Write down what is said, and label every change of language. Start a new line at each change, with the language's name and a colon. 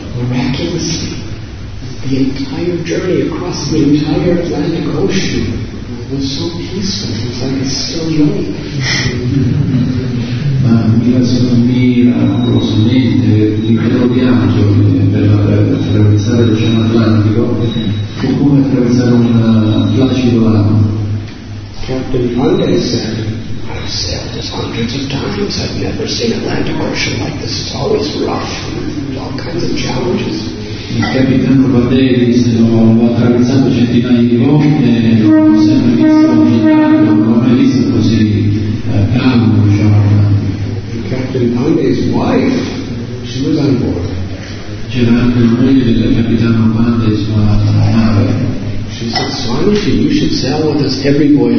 English: Miraculously, the entire journey across the entire Atlantic Ocean was so peaceful, it was like a still young.
Italian: Ma miracolosamente, l'intero viaggio per attraversare l'Oceano Atlantico fu come attraversare un placido lago.
English: Captain Monday said, I've sailed this hundreds of times. I've never seen Atlantic Ocean like this. It's always rough and all kinds of challenges.
Italian: Il capitano Badelli disse, l'ho attraversato centinaia di volte e non ho sempre visto un viaggio, non ho mai visto così calmo, diciamo.
English: Captain Monday's wife, she was on board.
Italian: C'era anche la moglie del capitano Monday sulla nave.
English: She said, Swamiji, you should sail with us every